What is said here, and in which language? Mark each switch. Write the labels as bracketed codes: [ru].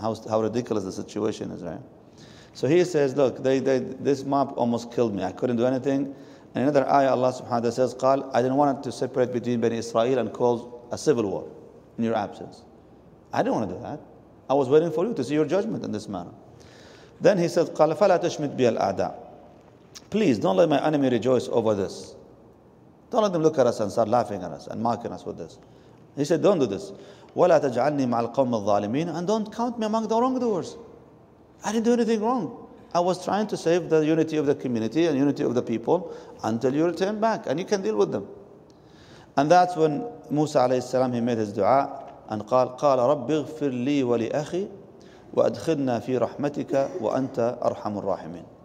[en] How ridiculous the situation is, right? So he says, look, this mob almost killed me. I couldn't do anything. In another ayah, Allah subhanahu wa ta'ala says, قال, I didn't want to separate between Bani Israel and cause a civil war in your absence. I didn't want to do that. I was waiting for you to see your judgment in this manner. Then he said, [ar] قال, فلا تشمت بي الأعداء. [en] Please, don't let my enemy rejoice over this. Don't let them look at us and start laughing at us and mocking us with this. He said, don't do this. [ar] ولا تجعلني مع القوم الظالمين. [en] And don't count me among the wrongdoers. I didn't do anything wrong. I was trying to save the unity of the community and unity of the people until you return back and you can deal with them. And that's when Musa alayhi salam, he made his dua and [ar] قال رب اغفر لي ولأخي وأدخلنا في رحمتك وأنت أرحم الراحمين.